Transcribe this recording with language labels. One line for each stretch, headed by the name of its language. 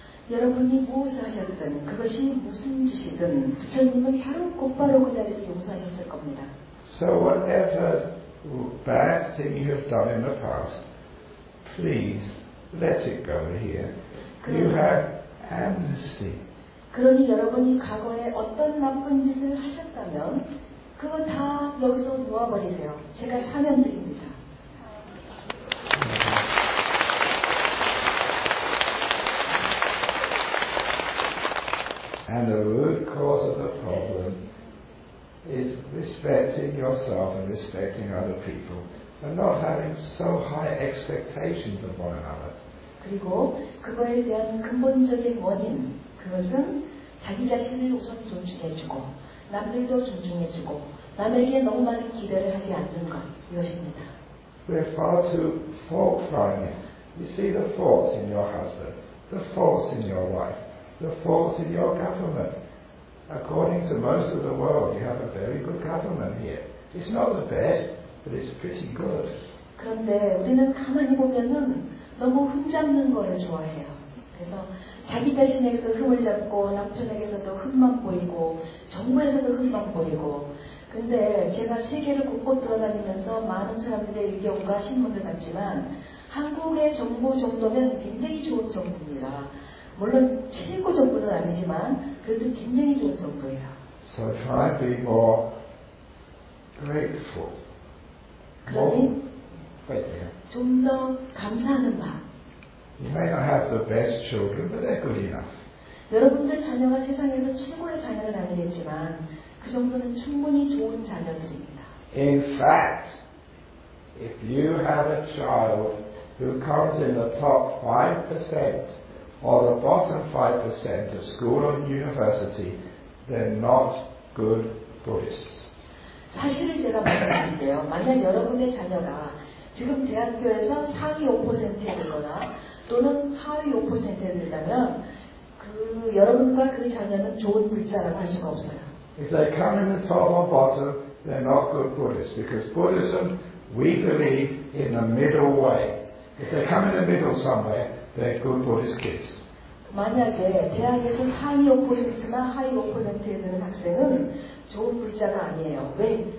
Korean: 여러분이무엇을하셨든그것이무슨짓이든부처님은바로곧바로그자리에서용서하셨을겁니다
English: So whatever bad thing you have done in the past, please let it go here. You have amnesty.
Korean: 그러니 여러분이 과거에 어떤 나쁜 짓을 하셨다면 그거 다 여기서 모아버리세요. 제가 사면 드립니다.
English: And the root cause of the problem is respecting yourself and respecting other people and not having so high expectations of one another.
Korean: 그리고 그거에 대한 근본적인 원인, 그것은 자기 자신을 우선 존중해주고 남들도 존중해주고 남에게 너무 많은 기대를 하지 않는 것, 이것입니다.
English: We're far too fault-finding. You see the faults in your husband, the faults in your wife, the faults in your government. According to most of the world, you have a very good government here. It's not the best, but it's pretty good.
Korean: 그런데 우리는 가만히 보면은 너무 흠잡는 것을 좋아해요. 그래서 자기 자신에게서 흠을 잡고 남편에게서도 흠만 보이고 정부에서도 흠만 보이고 근데 제가 세계를 곳곳 돌아다니면서 많은 사람들의 의견과 신문을 봤지만 한국의 정부 정도면 굉장히 좋은 정부입니다. 물론 최고 정부는 아니지만 그래도 굉장히 좋은 정부예요.
English: So try to be more grateful.
Korean: 그러니 좀 더 감사하는 바.
English: You may not have the best children, but they're good enough.
Korean: 여러분들 자녀가 세상에서 최고의 자녀를 아니겠지만 그 정도는 충분히 좋은 자녀들입니다.
English: In fact, if you have a child who comes in the top 5% or the bottom 5% of school or university, they're not good Buddhists.
Korean: 사실 제가 말씀드릴게요. 만약 여러분의 자녀가 지금 대학교에서 상위 5%에 들거나 또는 하위 5%에 들다면 그 여러분과 그 자녀는 좋은 불자라고 할 수가 없어요.
English: If they come in the top or bottom, they're not good Buddhists. Because Buddhism, we believe in the middle way. If they come in the middle somewhere, they're good Buddhist kids.
Korean: 만약에 대학에서 상위 5%나 하위 5%에 드는 학생은 좋은 불자가 아니에요. 왜?